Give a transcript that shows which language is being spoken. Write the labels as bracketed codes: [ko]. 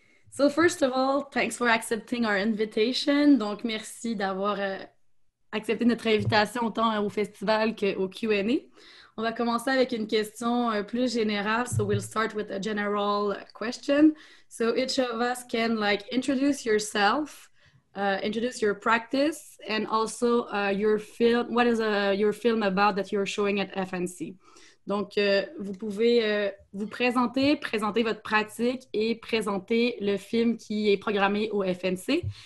[en] So first of all, thanks for accepting our invitation. [fr] Donc, merci d'avoir accepté notre invitation autant au festival qu'au Q&A. On va commencer avec une question plus générale. [en] So we'll start with a general question. So each of us can like introduce yourself, introduce your practice, and also your film. What is your film about that you're showing at FNC? [fr] Donc, vous pouvez vous présenter, présenter votre pratique et présenter le film qui est programmé au FNC.